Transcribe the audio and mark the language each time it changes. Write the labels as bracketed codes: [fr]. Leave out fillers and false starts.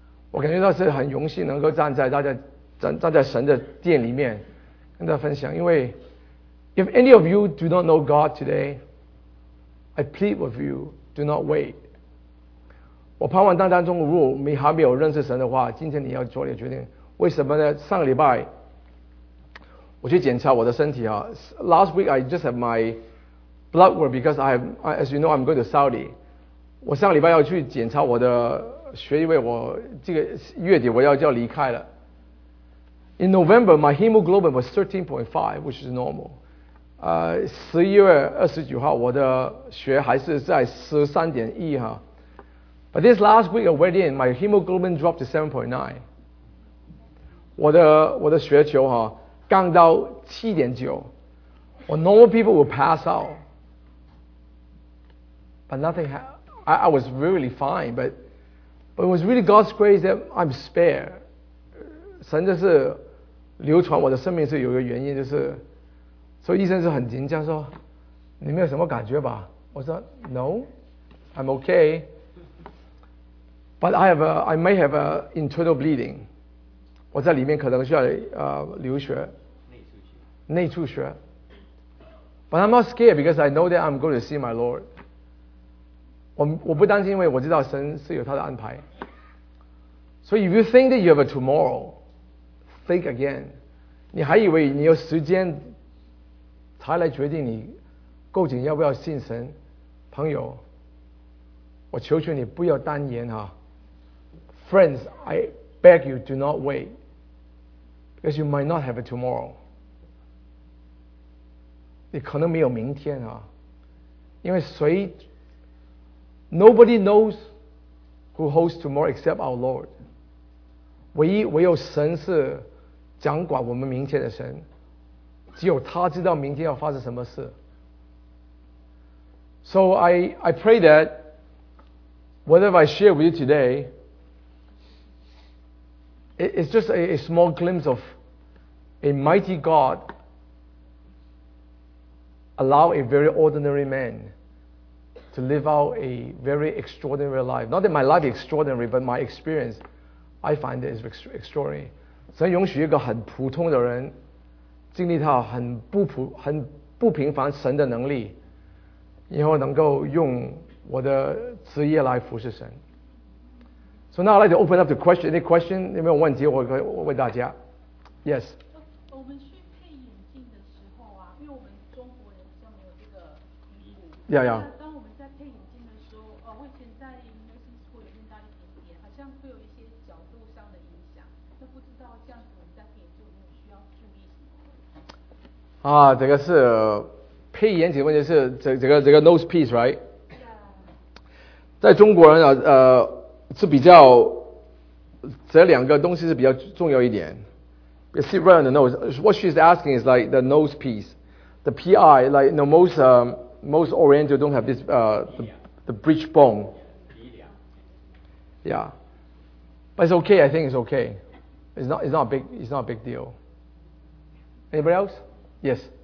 [zh] 我感觉到是很荣幸能够站在大家站在神的殿里面跟大家分享。因为 [en] if any of you do not know God today, I plead with you, do not wait. [zh] 我盼望当中，如果你还没有认识神的话，今天你要做一个决定。为什么呢？上个礼拜我去检查我的身体啊。 [en] Last week I just have my blood work because as you know, I'm going to Saudi. [zh] 我上个礼拜要去检查我的血，因为我这个月底我要离开了。 [en] In November, my hemoglobin was 13.5, which is normal. [zh] 11月29号，我的血还是在13.1哈。 [en] But this last week I went in, my hemoglobin dropped to 7.9. [zh] 我的血球啊，降到 7.9. [en] Well, normal people will pass out. But nothing happened. I was really fine, but it was really God's grace that I'm spared. [zh] 神就是流传我的生命是有一个原因，就是所以医生是很紧张说，你没有什么感觉吧？我说 [en] No, I'm okay. But I may have an internal bleeding. [zh] 我在里面可能需要流血。内出血。 [en] But I'm not scared because I know that I'm going to see my Lord. [zh] 我不担心，因为我知道神是有他的安排。 [en] So if you think that you have a tomorrow, think again. [zh] 你还以为你有时间才来决定你究竟要不要信神。朋友，我求求你不要单言啊。 [en] Friends, I beg you, do not wait, because you might not have a tomorrow. [zh] 你可能没有明天啊，因为谁 ？ [en] Nobody knows who holds tomorrow except our Lord. [zh] 唯有神是掌管我们明天的神，只有他知道明天要发生什么事。 [en] So I pray that whatever I share with you today. It's just a small glimpse of a mighty God allow a very ordinary man to live out a very extraordinary life. Not that my life is extraordinary, but my experience, I find it is extraordinary. [zh] 神允许一个很普通的人经历到很不平凡神的能力，以后能够用我的职业来服侍神。 [en] So now I'd like to open up the question. Any question? [zh] 有没有问题？我可以问大家。 [en] Yes. [zh] 我们去配眼镜的时候啊，因为我们中国人比较没有这个评估。 [en] Yeah, yeah. [zh] 当我们在配眼镜的时候，我以前在 nursing school 也念大一点点，好像会有一些角度上的影响。那不知道这样子我们在配眼镜有没有需要注意什么？啊，这个是配眼镜的问题是这个 [en] nose piece, right? Yeah. [zh] 在中国人啊，是比较这两个东西是比较重要一点。 [en] You sit right on the nose. What she's asking is like the nose piece, the PI. Like you know, most Oriental don't have this the bridge bone. Yeah, but it's okay. I think it's okay. It's not a big deal. Anybody else? Yes.